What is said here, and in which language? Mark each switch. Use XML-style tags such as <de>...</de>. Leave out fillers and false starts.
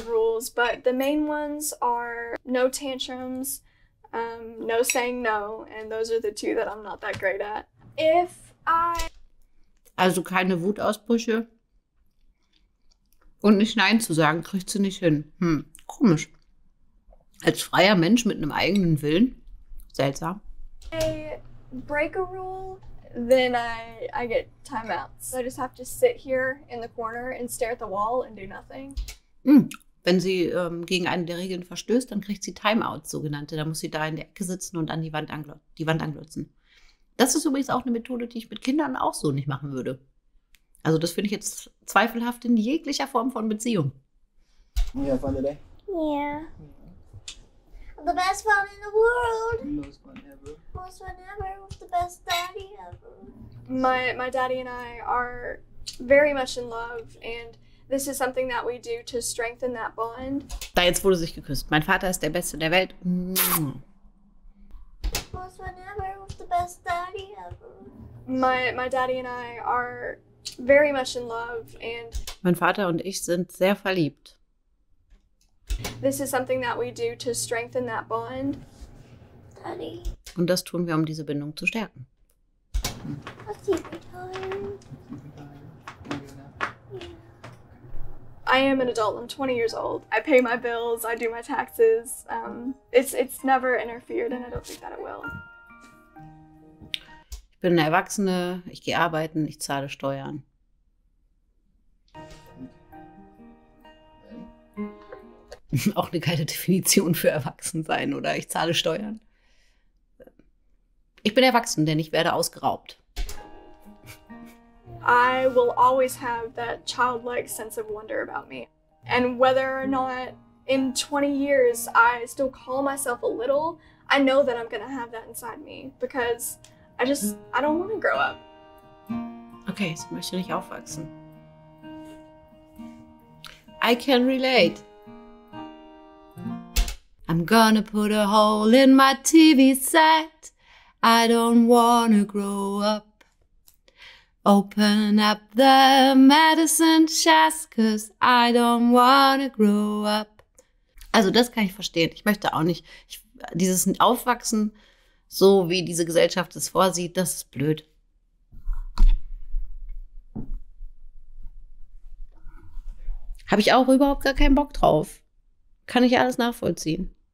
<en>Rules, but the main ones are no tantrums, no saying no, and those are the two that I'm not that great at. If I... Also keine Wutausbrüche und nicht Nein zu sagen, kriegt sie nicht hin. Hm, komisch. Als freier Mensch mit einem eigenen Willen? Seltsam. I break a rule, then I get timeouts. So I just have to sit here in the corner and stare at the wall and do nothing. Hm.</en> <de>Wenn sie gegen eine der Regeln verstößt, dann kriegt sie Timeouts, sogenannte. Da muss sie da in der Ecke sitzen und an die Wand anglotzen. Das ist übrigens auch eine Methode, die ich mit Kindern auch so nicht machen würde. Also das finde ich jetzt zweifelhaft in jeglicher Form von Beziehung.</de> <en>You have fun today? Yeah. The best mom in the world. Most one ever. Most one ever with the best daddy ever. My daddy and I are very much in love and this is something that we do to strengthen that bond.</en> <de>Da jetzt wurde sich geküsst. Mein Vater ist der Beste der Welt.</de> <en>Most one ever with the best daddy ever. My daddy and I are very much in love and</en> <de>mein Vater und ich sind sehr verliebt.</de> <en>This is something that we do to strengthen that bond. Daddy.</en> <de>Und das tun wir, um diese Bindung zu stärken.</de> <en>I'll see you later. I am an adult, I'm 20 years old. I pay my bills, I do my taxes. It's never interfered and I don't think that it will.</en> <de>Ich bin eine Erwachsene, ich gehe arbeiten, ich zahle Steuern. Auch eine geile Definition für Erwachsensein, oder? Ich zahle Steuern. Ich bin erwachsen, denn ich werde ausgeraubt.</de> <en>I will always have that childlike sense of wonder about me. And whether or not in 20 years I still call myself a little, I know that I'm gonna have that inside me because I don't want to grow up.</en> <de>Okay, so möchte ich aufwachsen.</de> <en>I can relate. I'm gonna put a hole in my TV set. I don't wanna grow up. Open up the medicine chest, cause I don't wanna grow up.</en> <de>Also das kann ich verstehen. Ich möchte auch nicht dieses Aufwachsen, so wie diese Gesellschaft es vorsieht, das ist blöd. Habe ich auch überhaupt gar keinen Bock drauf. Kann ich alles nachvollziehen.</de>